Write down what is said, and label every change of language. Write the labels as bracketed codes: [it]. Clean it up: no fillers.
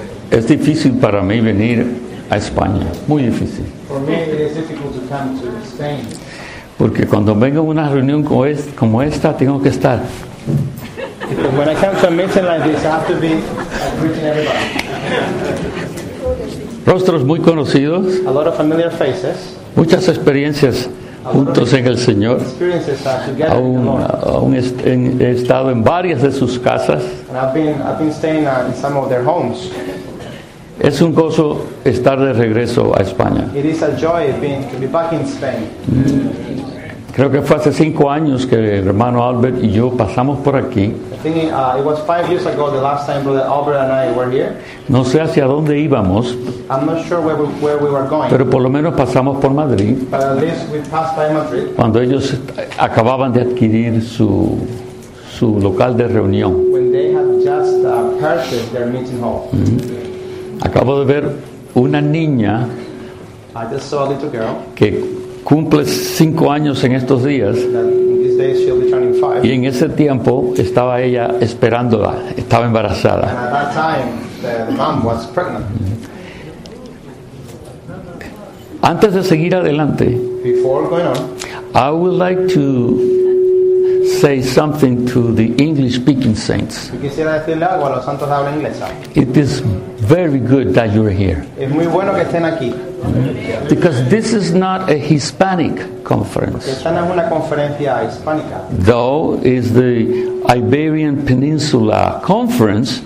[es] Es difícil para mí venir a España, muy difícil. [en] For me, it is difficult to come to Spain. [es] Porque cuando vengo a una reunión como esta, tengo que estar. [en] When I come to a meeting like this, I have to be greeting everybody. [es] Rostros muy conocidos. [en] A lot of familiar faces. [es] Muchas experiencias juntos en el Señor. Aún he estado en varias de sus casas. [en] I've been staying in some of their homes. [es] Es un gozo estar de regreso a España. [en] It is a joy being to be back in Spain. [es] Creo que fue hace 5 años que el hermano Albert y yo pasamos por aquí. [en] It was 5 years ago the last time brother Albert and I were here. [es] No sé hacia dónde íbamos. [en] I'm not sure where we were going. [es] Pero por lo menos pasamos por Madrid. [en] But at least we passed by Madrid. [es] Cuando ellos acababan de adquirir su local de reunión. [en] When they have just purchased their meeting hall. Mm-hmm. [es] Acabo de ver una niña. [en] I just saw a little girl. [es] Que cumple 5 años en estos días. [en] Days, [es] y en ese tiempo estaba ella esperándola, estaba embarazada. [en] And at that time, the mom was pregnant. [es] Antes de seguir adelante, [en] before going on, I would like to say something to the English speaking saints. [es] Quisiera decirle algo a los santos de habla inglesa. [en] It is very good that you're here. [es] Es muy bueno que estén aquí. [en] Because this is not a Hispanic conference. [es] Esta no es una conferencia hispánica. [en] Though is the Iberian Peninsula conference.